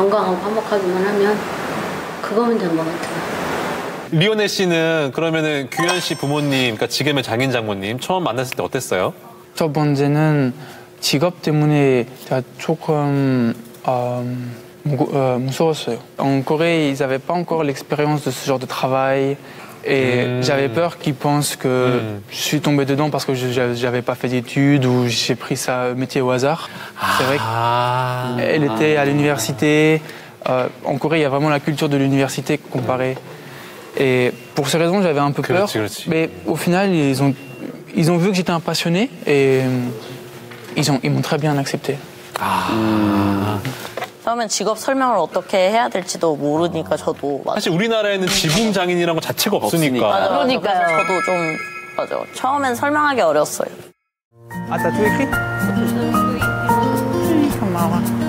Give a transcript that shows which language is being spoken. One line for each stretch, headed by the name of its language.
Korean: 건강하고 화목하기만 하면 그거면 된 것 같아요. 리오네 씨는 그러면은 규현 씨 부모님, 그러니까 지금의 장인 장모님 처음 만났을 때 어땠어요? 첫 번째는 직업 때문에 제가 조금 무서웠어요.
French: En Corée, ils n'avaient pas encore l'expérience de ce genre de travail. Et j'avais peur qu'ils pensent que je suis tombé dedans parce que je n'avais pas fait d'études ou j'ai pris ça métier au hasard. C'est vrai qu'elle était à l'université. En Corée, il y a vraiment la culture de l'université comparée. Et pour ces raisons, j'avais un peu peur.
Korean: 그렇지, 그렇지.
French: Mais au final, ils ont vu que j'étais un passionné et ils m'ont très bien accepté.
Korean: 그러면 직업 설명을 어떻게 해야 될지도 모르니까 저도 맞아. 사실 우리나라에는 지붕 장인이라는 거 자체가 없으니까. 맞아, 그러니까요. 저도 좀 맞아. 처음엔 설명하기 어려웠어요. 아따 투 에크리? 엄마가.